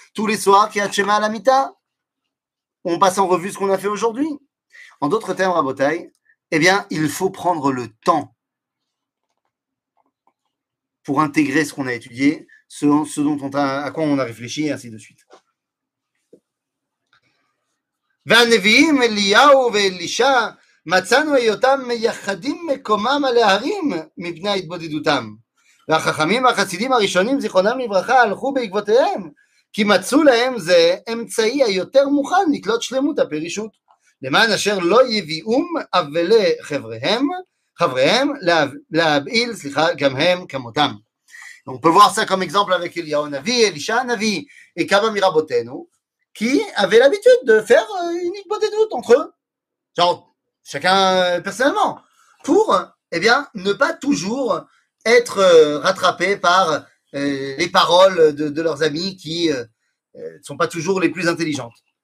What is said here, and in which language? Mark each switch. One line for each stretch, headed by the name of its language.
French: Tous les soirs, qui a Shema à la Mita. On passe en revue ce qu'on a fait aujourd'hui. En d'autres termes, Rabotai, eh bien, il faut prendre le temps pour intégrer ce qu'on a étudié, ce dont on a, à quoi on a réfléchi, et ainsi de suite.
Hebrew: והנביאים אליהו ואלישע מצאנו היותם מייחדים מקומם על ההרים מפני התבודדותם. והחכמים החסידים הראשונים זיכרונם לברכה הלכו בעקבותיהם, כי מצאו להם זה אמצעי היותר מוכן לקלוט שלמות הפרישות. למען אשר לא יביאום אבלי חבריהם, חבריהם להבעיל, סליחה, גם הם כמותם.
French: On peut voir ça comme exemple avec
Hebrew: אליהו הנביא, אלישע הנביא
French: et
Hebrew: כמה מרבותינו.
French: Qui avaient l'habitude de faire une hitbodedout entre eux, genre chacun personnellement, pour eh bien ne pas toujours être rattrapé par les paroles de leurs amis qui ne sont pas toujours les plus intelligentes.